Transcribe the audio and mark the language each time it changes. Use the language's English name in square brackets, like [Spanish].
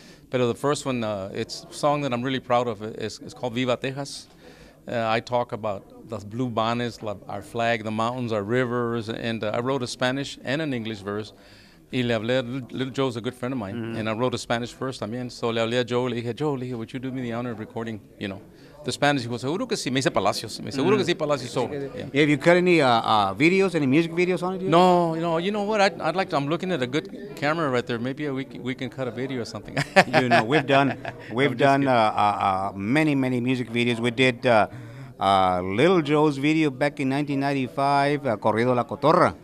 [English] But the first one, it's a song that I'm really proud of. It's called Viva Texas. I talk about the blue bonnets, our flag, the mountains, our rivers, and I wrote a Spanish and an English verse. [Spanish] Y le hablé, [English] Little Joe's a good friend of mine, mm-hmm. and I wrote a Spanish verse también. So [Spanish] le hablé a Joe, le dije, [English] Joe, would you do me the honor of recording, you know, the Spanish? He goes, [Spanish] seguro que sí, me dice Palacios, me seguro que sí, Palacios. [English] So, yeah. Have you cut any videos, any music videos on it? No, you know what, I'd like to, I'm looking at a good camera right there, maybe we can cut a video or something. You know, we've done many, many music videos. We did Little Joe's video back in 1995, Corrido La Cotorra.